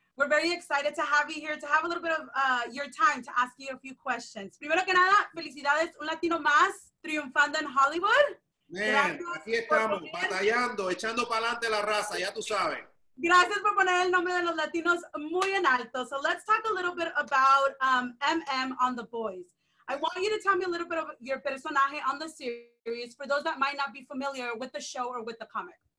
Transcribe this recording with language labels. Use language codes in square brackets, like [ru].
[en] We're very excited to have you here, to have a little bit of your time to ask you a few questions. [es] Primero que nada, felicidades, un latino más triunfando en Hollywood. Man, aquí estamos, batallando, echando para adelante la raza, ya tú sabes. Gracias por poner el nombre de los latinos muy en alto. [en] So let's talk a little bit about MM on the Boys. I want you to tell me a little bit of your personaje on the series for those that might not be familiar with the show or with the comic.